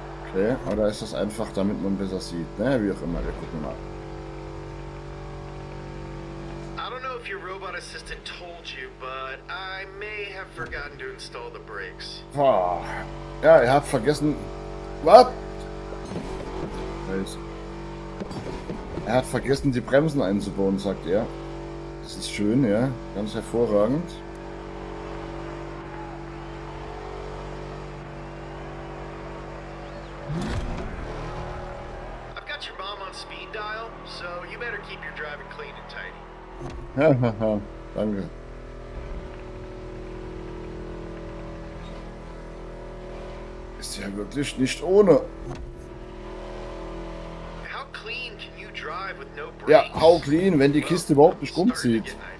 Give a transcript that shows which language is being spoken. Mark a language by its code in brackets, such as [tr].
[de] Okay, oder ist das einfach, damit man besser sieht? Ne, wie auch immer, wir gucken mal. [en] I don't know if your robot assistant told you, but I may have forgotten to install the brakes. [de] Ja, ich hab vergessen. Was? Er hat vergessen, die Bremsen einzubauen, sagt er. Das ist schön, ja. Ganz hervorragend. [en] I've got your mom on speed dial, so you better keep your driving clean and tidy. [de] Danke. Ist ja wirklich nicht ohne. [en] How clean can you drive with no brakes? [de] Ja, [en] how clean, [de] wenn die Kiste überhaupt nicht rumzieht.